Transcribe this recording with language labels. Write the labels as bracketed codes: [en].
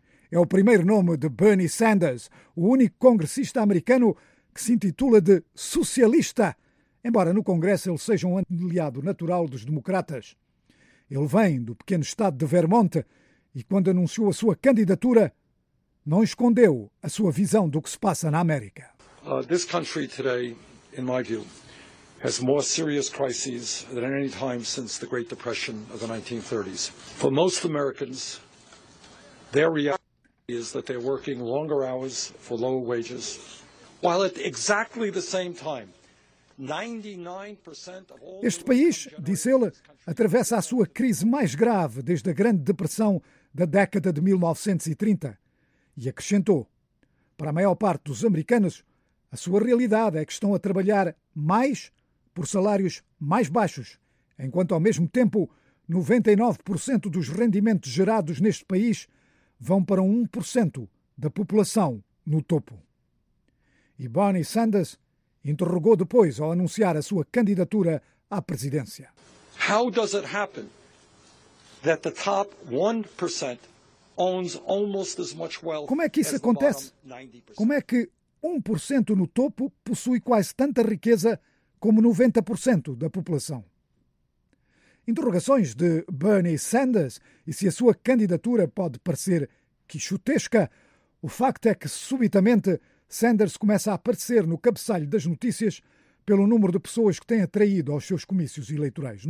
[pt] É o primeiro nome de Bernie Sanders, o único congressista americano que se intitula de socialista, embora no Congresso ele seja um aliado natural dos democratas. Ele vem do pequeno estado de Vermont e, quando anunciou a sua candidatura, não escondeu a sua visão do que se passa na América. [en] This country today, in my view, has more serious crises than at any time since the Great Depression of the 1930s. For most Americans, their reality is that they're working longer hours for lower wages, while at exactly the same time, 99% of all... [pt] Este país, disse ele, atravessa a sua crise mais grave desde a Grande Depressão da década de 1930. E acrescentou, para a maior parte dos americanos, a sua realidade é que estão a trabalhar mais por salários mais baixos, enquanto ao mesmo tempo 99% dos rendimentos gerados neste país vão para 1% da população no topo. E Bernie Sanders interrogou depois ao anunciar a sua candidatura à presidência. [en] How does it happen that the top 1% owns almost as much wealth? [pt] Como é que isso acontece? Como é que 1% no topo possui quase tanta riqueza como 90% da população? Interrogações de Bernie Sanders e se a sua candidatura pode parecer quixotesca, o facto é que, subitamente, Sanders começa a aparecer no cabeçalho das notícias pelo número de pessoas que tem atraído aos seus comícios eleitorais.